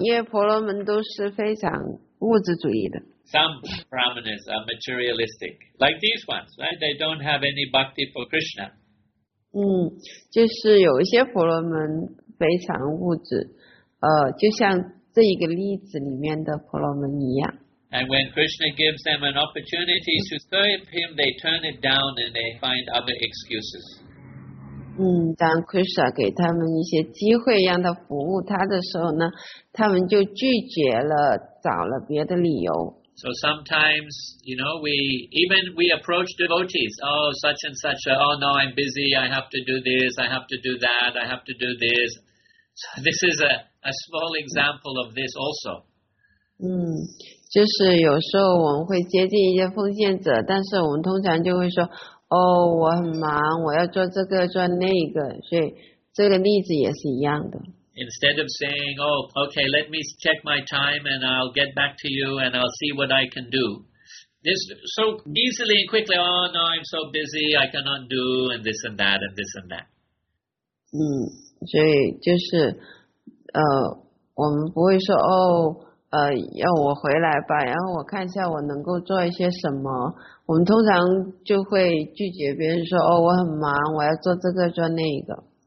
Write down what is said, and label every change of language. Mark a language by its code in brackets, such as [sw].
[zh] 因为婆罗门都是非常物质主义的。 [en] Some Brahmanas are materialistic, like these ones, right? They don't have any bhakti for Krishna. [zh] 就是有一些婆罗门非常物质，就像这一个例子里面的婆罗门一样。 [en] And when Krishna gives them an opportunity to serve him, they turn it down and they find other excuses. [zh] 当 Krishna 给他们一些机会让他服务他的时候呢，他们就拒绝了，找了别的理由。 [en] So sometimes, you know, we approach devotees, oh, such and such, oh no, I'm busy, I have to do this, I have to do that, I have to do this. So this is a small example of this also. [zh] 就是有时候我们会接近一些奉献者，但是我们通常就会说，哦，我很忙，我要做这个，做那个，所以这个例子也是一样的。 [en] Instead of saying, oh, okay, let me check my time and I'll get back to you and I'll see what I can do. This so easily and quickly, oh no, I'm so busy, I cannot do and this and that and this and that. [zh] 所以就是我们不会说哦要我回来吧，然后我看一下我能够做一些什么。我们通常就会拒绝别人说哦我很忙，我要做这个做那个。